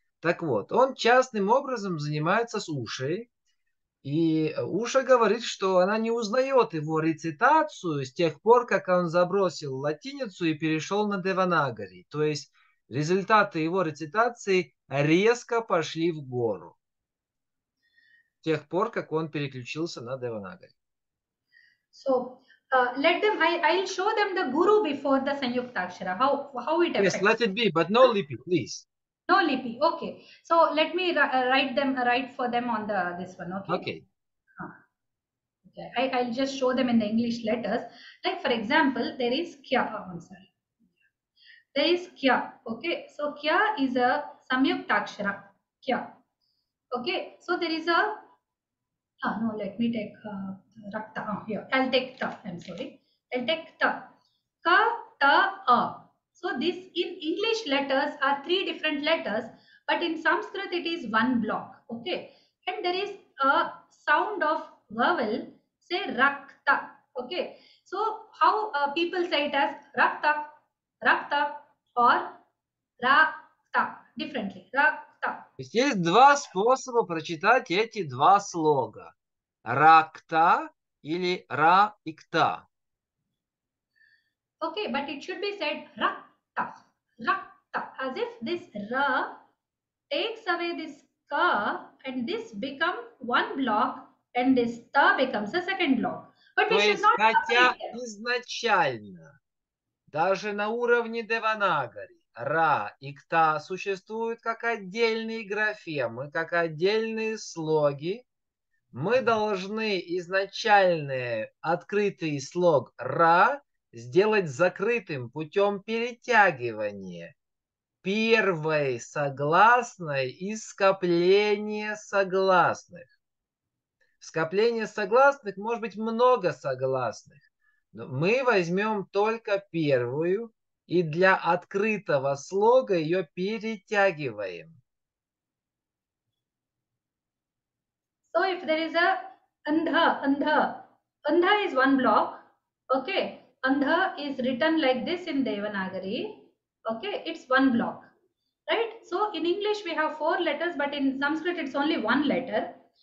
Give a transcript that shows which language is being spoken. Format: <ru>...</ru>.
<ru>Так вот, он частным образом занимается с Ушей, и Уша говорит, что она не узнает его рецитацию с тех пор, как он забросил латиницу и перешел на Деванагари. То есть результаты его рецитации резко пошли в гору с тех пор, как он переключился на Деванагари.</ru> <en>So, let them, I'll show them the guru before the Sanyuktakshara, how it affects. Yes, let it be, but no lipi, please. No lipi, okay. So, let me write for them on this one, okay? Okay. Okay. I'll just show them in the English letters. Like, for example, there is kya, There is kya, okay? So, kya is a Sanyuktakshara, kya. Okay, so there is a, let me take rakta here. I'll take ta, I'm sorry. I'll take ta. Ka, ta, a. So this in English letters are three different letters, but in Sanskrit it is one block. Okay. And there is a sound of vowel, say rakta. Okay. So how people say it as rakta, rakta or rakta differently. Rakta.</en> <ru>Есть два способа прочитать эти два слога. Ракта или ра икта.</ru> <en>Okay, but it should be said ракта, ракта, as if this ра takes away this ка, and this becomes one block, and this та becomes a second block. But</en> <ru>То</ru> <en>we should</en> <ru>есть,</ru> <en>not.</en> <ru>Хотя изначально, даже на уровне Деванагари, ра икта существуют как отдельные графемы, как отдельные слоги. Мы должны изначальный открытый слог «ра» сделать закрытым путем перетягивания первой согласной из скопления согласных. В скоплении согласных может быть много согласных, но мы возьмем только первую и для открытого слога ее перетягиваем.</ru> <en>So if there is a andha, andha, andha is one block, okay, andha is written like this in Devanagari, okay, it's one block, right? So in English we have four letters, but in Sanskrit it's only one letter.</en>